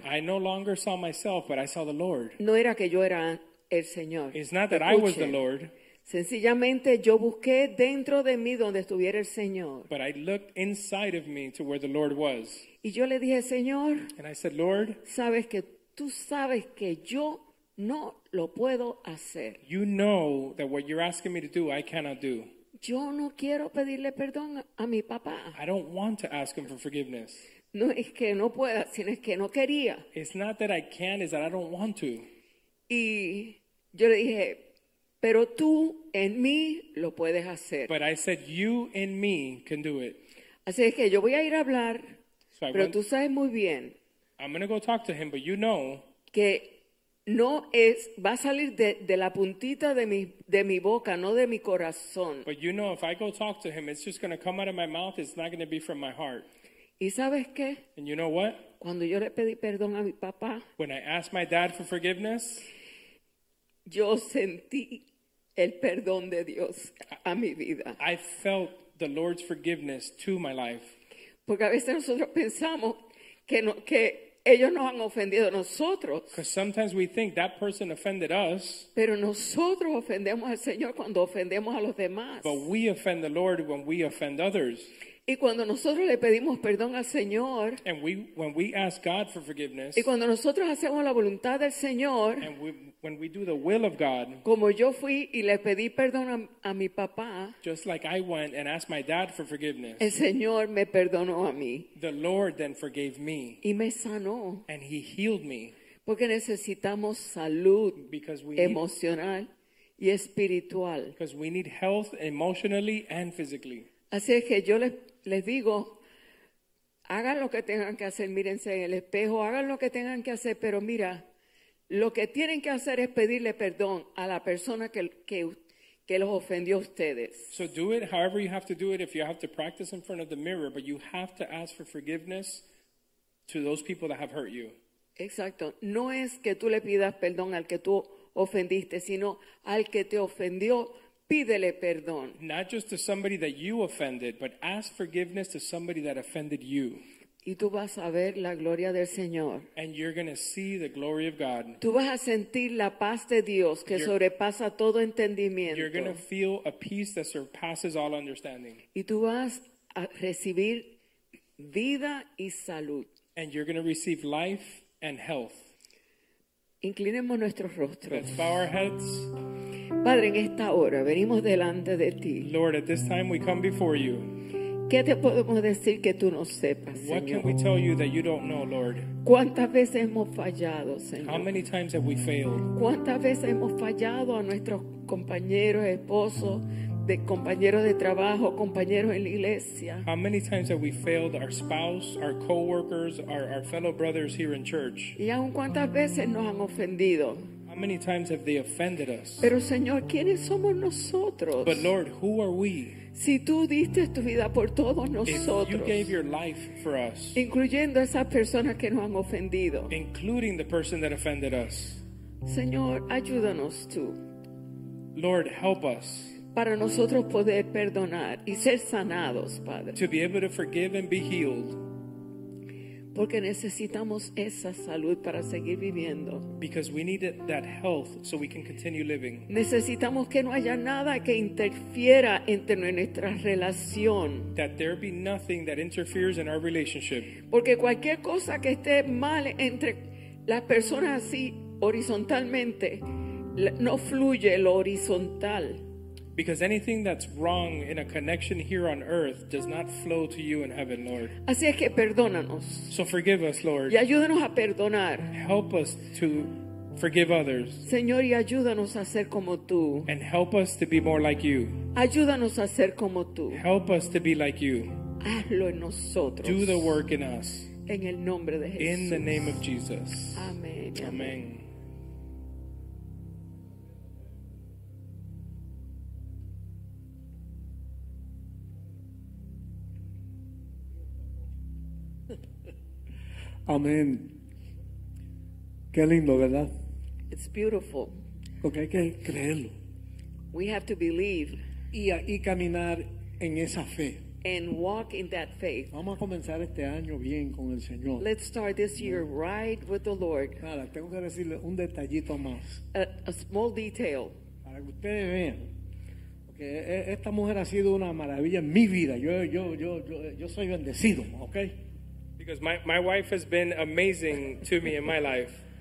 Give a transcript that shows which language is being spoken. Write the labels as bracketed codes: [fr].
[en] I no longer saw myself, but I saw the Lord. [es] No era que yo era el Señor. [en] It's not that [es] escuche, [en] I was the Lord. [es] Sencillamente yo busqué dentro de mí donde estuviera el Señor. [en] But I looked inside of me to where the Lord was. [es] Y yo le dije, Señor. [en] And I said, Lord. [es] Sabes que tú sabes que yo no lo puedo hacer. [en] You know that what you're asking me to do, I cannot do. [es] Yo no quiero pedirle perdón a mi papá. [en] I don't want to ask him for forgiveness. [es] No es que no pueda, sino es que no quería. [en] It's not that I can, it's that I don't want to. [es] Y yo le dije, pero tú en mí lo puedes hacer. [en] But I said, you in me can do it. [es] Así es que yo voy a ir a hablar, so pero tú sabes muy bien. [en] I'm going to go talk to him, but you know [es] que no es, va a salir de la puntita de mi boca, no de mi corazón. [en] But you know if I go talk to him, it's just going to come out of my mouth, it's not going to be from my heart. [es] ¿Y sabes qué? [en] And you know what? [es] Cuando yo le pedí perdón a mi papá, [en] when I asked my dad for forgiveness, [es] yo sentí el perdón de Dios a mi vida. [en] I felt the Lord's forgiveness to my life. [es] Porque a veces nosotros pensamos que ellos nos han ofendido a nosotros. [en] Because sometimes we think that person offended us. [es] Pero nosotros ofendemos al Señor cuando ofendemos a los demás. [en] But we offend the Lord when we offend others. [es] Y cuando nosotros le pedimos perdón al Señor. [en] And when we ask God for forgiveness. [es] Y cuando nosotros hacemos la voluntad del Señor. [en] And when we do the will of God. [es] Como yo fui y le pedí perdón a mi papá. [en] Just like I went and asked my dad for forgiveness. [es] El Señor me perdonó a mí. [en] The Lord then forgave me. [es] Y me sanó. [en] And he healed me. [es] Porque necesitamos salud emocional y espiritual. [en] Because we need health emotionally and physically. [es] Así es que yo les digo, hagan lo que tengan que hacer, mírense en el espejo, hagan lo que tengan que hacer, pero mira, lo que tienen que hacer es pedirle perdón a la persona que los ofendió a ustedes. [en] So do it however you have to do it, if you have to practice in front of the mirror, but you have to ask for forgiveness to those people that have hurt you. [es] Exacto. No es que tú le pidas perdón al que tú ofendiste, sino al que te ofendió. Pídele perdón. [en] Not just to somebody that you offended, but ask forgiveness to somebody that offended you. [es] Y tú vas a ver la gloria del Señor. [en] And you're going to see the glory of God. [es] Tú vas a sentir la paz de Dios que sobrepasa todo entendimiento. [en] You're going to feel a peace that surpasses all understanding. [es] Y tú vas a recibir vida y salud. [en] And you're going to receive life and health. [es] Inclinemos nuestros rostros. [en] Let's bow our heads. [es] Padre, en esta hora venimos delante de ti. [en] Lord, at this time we come before you. [es] ¿Qué te podemos decir que tú no sepas, Señor? [en] What can we tell you that you don't know, Lord? [es] ¿Cuántas veces hemos fallado, Señor? [en] How many times have we failed? [es] ¿Cuántas veces hemos fallado a nuestros compañeros, esposos, de compañeros de trabajo, compañeros en la iglesia? [en] How many times have we failed our spouse, our co-workers, our fellow brothers here in church? [es] ¿Y aún cuántas veces nos han ofendido? [en] How many times have they offended us? [es] Pero Señor, ¿quiénes somos nosotros? [en] But Lord, who are we? [es] Si tú diste tu vida por todos nosotros, [en] if you gave your life for us, [es] incluyendo esas personas que nos han ofendido, [en] including the person that offended us, [es] Señor, ayúdanos tú. [en] Lord, help us. [es] Para nosotros poder perdonar y ser sanados, Padre. [en] To be able to forgive and be healed. [es] Porque necesitamos esa salud para seguir viviendo. [en] Because we need that health so we can continue living. [es] Necesitamos que no haya nada que interfiera entre nuestra relación. [en] That there be nothing that interferes in our relationship. [es] Porque cualquier cosa que esté mal entre las personas así horizontalmente, no fluye lo horizontal. [en] Because anything that's wrong in a connection here on earth does not flow to you in heaven, Lord. [es] Así es que perdónanos. [en] So forgive us, Lord. [es] Y ayúdanos a perdonar. [en] Help us to forgive others. [es] Señor, y ayúdanos a ser como tú. [en] And help us to be more like you. [es] Ayúdanos a ser como tú. [en] Help us to be like you. [es] Hazlo en nosotros. [en] Do the work in us. [es] En el nombre de Jesús. [en] In the name of Jesus. [es] Amén. Amén. Amén. Amén. Qué lindo, ¿verdad? [en] It's beautiful. [es] Porque hay que creerlo. [en] We have to believe. [es] Y caminar en esa fe. [en] And walk in that faith. [es] Vamos a comenzar este año bien con el Señor. [en] Let's start this year right with the Lord. [es] Nada, tengo que decirle un detallito más. [en] A small detail. [es] Para que ustedes vean. Porque esta mujer ha sido una maravilla en mi vida. Yo soy bendecido, ¿okay? [en] Because my wife has been amazing to me in my life.